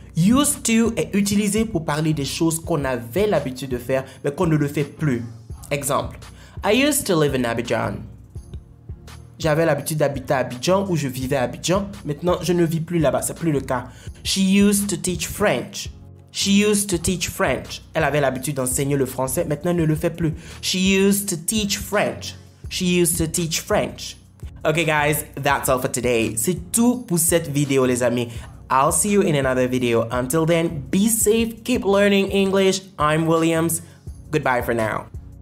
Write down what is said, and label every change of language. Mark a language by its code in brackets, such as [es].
[fr] Used to est utilisé pour parler des choses qu'on avait l'habitude de faire, mais qu'on ne le fait plus. Exemple. [en] I used to live in Abidjan. [fr] J'avais l'habitude d'habiter à Abidjan ou je vivais à Abidjan. Maintenant, je ne vis plus là-bas. C'est plus le cas. [en] She used to teach French. She used to teach French. [fr] Elle avait l'habitude d'enseigner le français, maintenant elle ne le fait plus. [en] She used to teach French. She used to teach French. Okay guys, that's all for today. [fr] C'est tout pour cette vidéo les amis. [en] I'll see you in another video. Until then, be safe, keep learning English. I'm Williams. Goodbye for now.